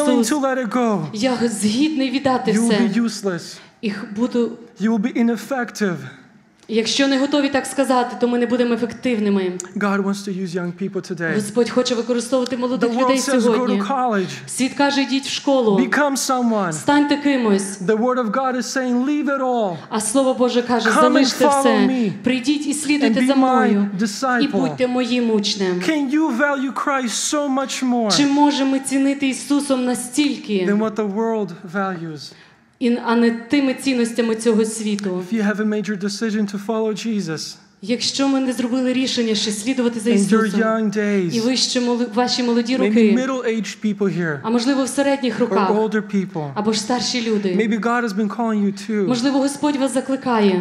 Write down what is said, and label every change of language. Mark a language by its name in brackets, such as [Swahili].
[English] I'm willing to let it go. [Ukrainian] Я згідний віддати все. [English] You will be useless. You will be ineffective. [Ukrainian] Якщо не готові так сказати, то ми не будемо ефективними. [English] God wants to use young people today. [Ukrainian] Господь хоче використовувати молодих людей сьогодні. Світ каже, йдіть в школу. [English] Become someone. [Ukrainian] Станьте кимось. [English] The word of God is saying, leave it all. [Ukrainian] А Слово Боже каже, залиште все. Прийдіть і слідуйте за мною. І будьте моїм учнем. [English] Can you value Christ so much more? [Ukrainian] Чи можемо цінити Ісусом настільки? [English] Than what the world values. [Ukrainian] А не тими цінностями цього світу. [English] If you have a major decision to follow Jesus, [Ukrainian] якщо ми не зробили рішення, що слідувати за Ісусом, [English] in your young days, [Ukrainian] і ви ще ваші молоді роки, [English] maybe middle-aged people here, [Ukrainian] а можливо в середніх роках, [English] or older people, [Ukrainian] або ж старші люди, [English] maybe God has been calling you too, [Ukrainian] можливо Господь вас закликає,